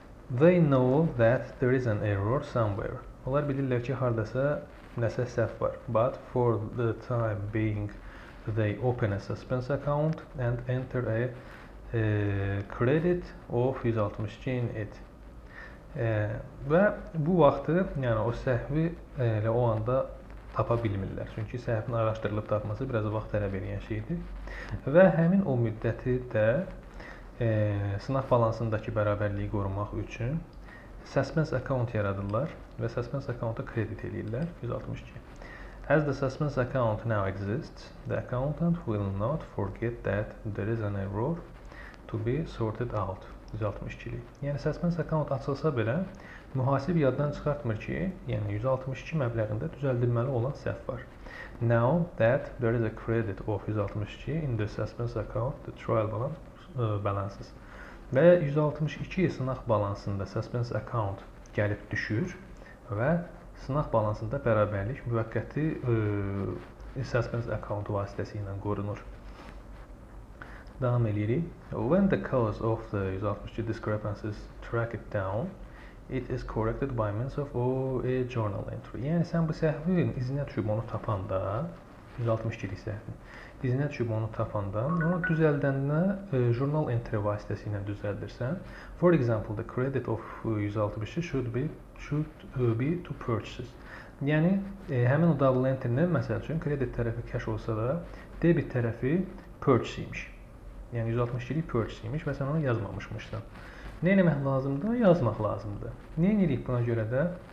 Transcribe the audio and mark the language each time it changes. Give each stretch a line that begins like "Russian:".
English: They know that there is an error somewhere.
Azerbaijani: Onlar bilirlər ki, haradasa nəsə səhv var.
English: But for the time being, they open a suspense account and enter a credit of 162 in it.
Azerbaijani: Və bu vaxtı, yəni o səhvi elə o anda tapa bilmirlər. Çünki səhvin araşdırılıb tapması biraz vaxt tələb edən şeydir. Və həmin o müddəti də sınaq balansındakı bərabərliyi qorumaq üçün suspense account yaradırlar və suspense accounta kredit edirlər 162.
English: As the suspense account now exists, the accountant will not forget that there is an error to be sorted out.
Azerbaijani: 162-lik. Yəni suspense account açılsa belə mühasib yaddan çıxartmır ki, yəni 162 məbləğində düzəldilməli olan səhv var.
English: Now that there is a credit of 162 in the suspense account, the trial balances.
Azerbaijani: Və 162 sınaq balansında suspense account gəlib düşür və sınaq balansında bərabərlik müvəqqəti suspense account vasitəsilə qorunur. Davam edirik.
English: When the cause of the 162 discrepancy is tracked down, it is corrected by means of a journal entry.
Azerbaijani: Yəni sən bu səhvin izinə düşüb onu tapanda, 162-lik səhvin izinə düşüb onu tapanda, onu düzəldəndə journal entry vasitəsilə düzəldirsən.
English: For example, the credit of 162 should be to purchases.
Azerbaijani: Yəni həmin o double entry-nin məsəl üçün kredit tərəfi cash olsa da, debit tərəfi purchase imiş. Yəni 162-lik purchase imiş və sən onu yazmamışmışsan. Nə eləmək lazımdır? Yazmaq lazımdır. Nə eləyirik buna görə də?